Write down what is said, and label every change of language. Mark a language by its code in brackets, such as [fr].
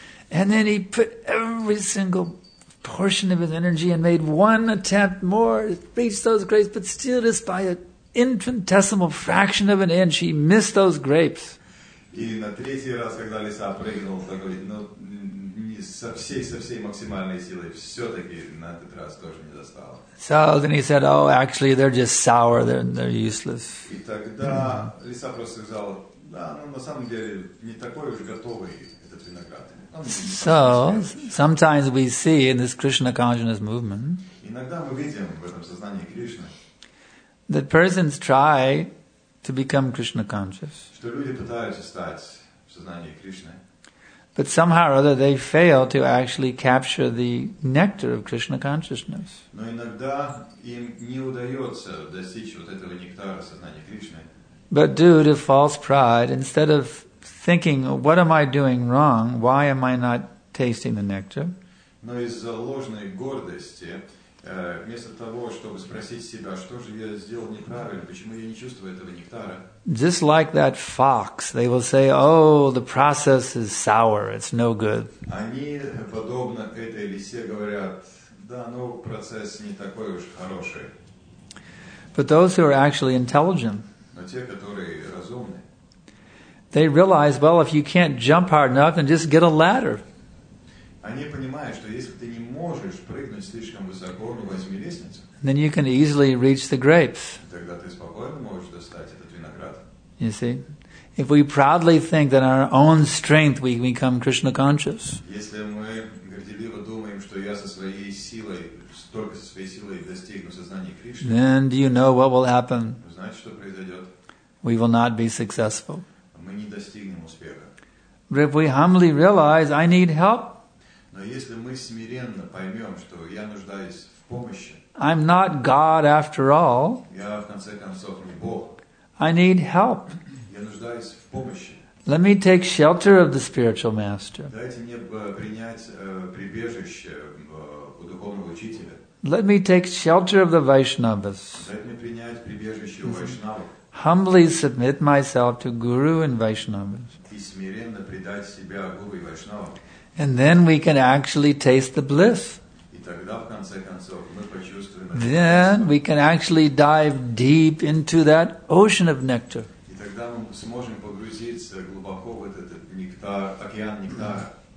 [en] And then he put every single portion of his energy and made one attempt more, reached those grapes, but still, just by an infinitesimal fraction of an inch, he missed those grapes. [ru] И на третий раз, когда лиса прыгнула, так говорит, ну, не со всей максимальной силой, все-таки на этот раз тоже не достала. [en] So then he said, oh, actually, they're just sour, they're useless. [ru] И тогда лиса просто сказала, да, ну, на самом деле, не такой уж готовый этот виноград. [en] So, sometimes we see in this Krishna consciousness movement, [ru] иногда мы видим в этом сознании Кришны, [en] that persons try to become Krishna conscious. [ru] Что люди пытаются стать в сознании Кришны. [en] But somehow or other they fail to actually capture the nectar of Krishna consciousness. [ru] Но иногда им не удается достичь вот этого нектара сознания Кришны. [en] But due to false pride, instead of thinking, what am I doing wrong? Why am I not tasting the nectar? [ru] Но из-за ложной гордости, вместо того, чтобы спросить себя, что же я сделал неправильно, почему я не чувствую этого нектара. [en] Just like that fox, they will say, oh, the process is sour, it's no good. [ru] Они, подобно этой лисе, говорят, да, ну, процесс не такой уж хороший. [en] But those who are actually intelligent, [ru] но те, которые разумны, [en] they realize, well, if you can't jump hard enough, then just get a ladder. [ru] Они понимают, что если ты не можешь прыгнуть слишком высоко, ну возьми лестницу. [en] Then you can easily reach the grapes. [ru] Тогда ты спокойно можешь достать этот виноград. [en] You see? If we proudly think that our own strength we become Krishna conscious. [ru] Если мы горделиво думаем, что я со своей силой, только со своей силой достигну сознания Кришны. [en] Then do you know what will happen? [ru] Знаете, что произойдет? [en] We will not be successful. [ru] Мы не достигнем успеха. [en] But if we humbly realize I need help. [ru] Но если мы смиренно поймем, что я нуждаюсь в помощи, [en] I'm not God after all. [ru] Я в конце концов не Бог. [en] I need help. [ru] Я нуждаюсь в помощи. [en] Let me take shelter of the spiritual master. [ru] Дайте мне принять прибежище у духовного учителя. [en] Let me take shelter of the Vaishnavas. [ru] Дайте мне принять прибежище у Вайшнавов. [en] Humbly submit myself to Guru and Vaishnavas. [ru] И смиренно предать себя Гуру и Вайшнавам. [en] And then we can actually taste the bliss. [ru] И тогда, в конце концов, мы почувствуем. [en] Then we can actually dive deep into that ocean of nectar. [ru] И тогда мы сможем погрузиться глубоко в этот нектар, океан нектара.